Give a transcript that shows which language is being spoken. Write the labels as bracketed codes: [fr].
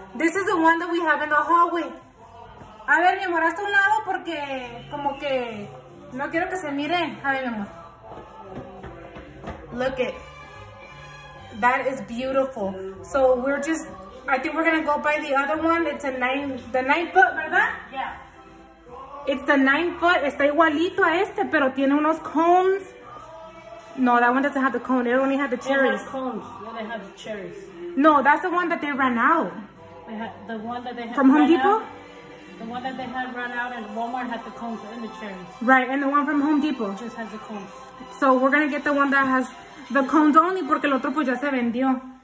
[en] This is the one that we have in the hallway. [es] A ver, mi amor, hasta un lado porque como que no quiero que se mire. A ver, mi amor. [en] Look it. That is beautiful. So we're just. I think we're gonna go by the other one. It's a nine. The 9 foot, ¿verdad? Yeah. It's the 9 foot. [es] Está igualito a este, pero tiene unos cones. [en] No, that one doesn't have the cone. It only had the cherries. It has cones. It only had the cherries. No, that's the one that they ran out. The one that they had from Home Depot? The one that they had run out and Walmart had the cones and the cherries. Right, and the one from Home Depot. It just has the cones. So we're going to get the one that has the cones only [es] porque el otro pues ya se vendió.